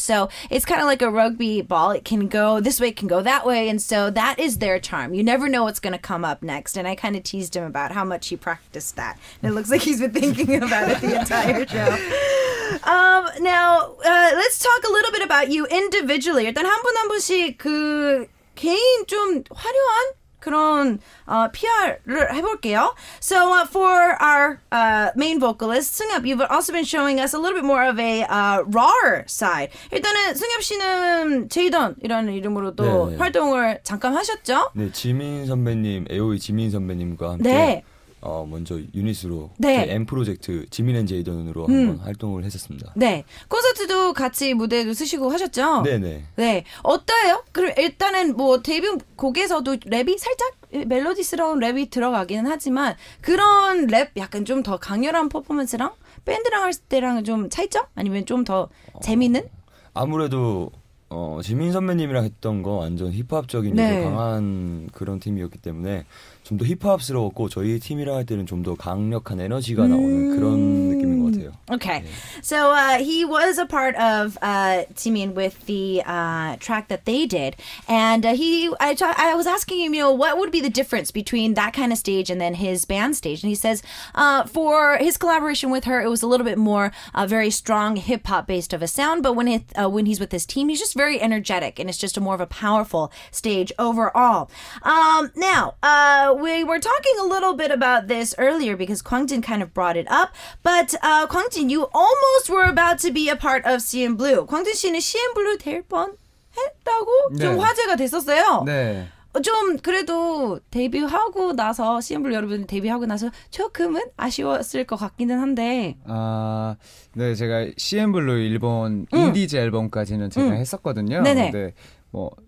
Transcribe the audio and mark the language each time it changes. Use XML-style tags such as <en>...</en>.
<en>So it's kind of like a rugby ball. It can go this way, it can go that way, and so that is their charm. You never know what's going to come up next. And I kind of teased him about how much he practiced that. And it looks like he's been thinking about it the entire show. Now, let's talk a little bit about you individually.</en> <ko>일단 한 분 한 분씩 그 개인 좀 화려한 그런 PR를 해볼게요.</ko> <en>So for our main vocalist, 승엽, you've also been showing us a little bit more of a raw side.</en> <ko>일단은 승엽 씨는 제이던이라는 이름으로도 네. 활동을 잠깐 하셨죠? 네, 지민 선배님, AOE 지민 선배님과 함께 네. 먼저 유닛으로 네. 그 M 프로젝트 지민 앤 제이던으로 한번 활동을 했었습니다. 네, 콘서트도 같이 무대도 쓰시고 하셨죠? 네네. 네, 어떠해요? 그럼 일단은 뭐 데뷔 곡에서도 랩이 살짝 멜로디스러운 랩이 들어가기는 하지만 그런 랩 약간 좀 더 강렬한 퍼포먼스랑 밴드랑 할 때랑 좀 차이점? 아니면 좀 더 재밌는? 아무래도 지민 선배님이랑 했던 거 완전 힙합적인 네. 강한 그런 팀이었기 때문에 좀 더 힙합스러웠고 저희 팀이랑 할 때는 좀 더 강력한 에너지가 나오는 그런 느낌인 것 같아요. Okay. 네.</ko> <en>So he was a part of Jimin with the track that they did. And I was asking him, you know, what would be the difference between that kind of stage and then his band stage? And he says for his collaboration with her, it was a little bit more very strong hip-hop based of a sound. But when he's with his team, he's just very energetic and it's just a more of a powerful stage overall. We were talking a little bit about this earlier because Kwangjin kind of brought it up. But Kwangjin, you almost were about to be a part of CN Blue.</en> <ko>Kwangjin 씨는 CN Blue 될 뻔했다고 네. 좀 화제가 됐었어요. 네. 좀 그래도 데뷔하고 나서 CN Blue 여러분 데뷔하고 나서 조금은 아쉬웠을 것 같기는 한데. 아, 네 제가 CN Blue 일본 인디즈 앨범까지는 제가 했었거든요. 네네. 근데 뭐.</ko>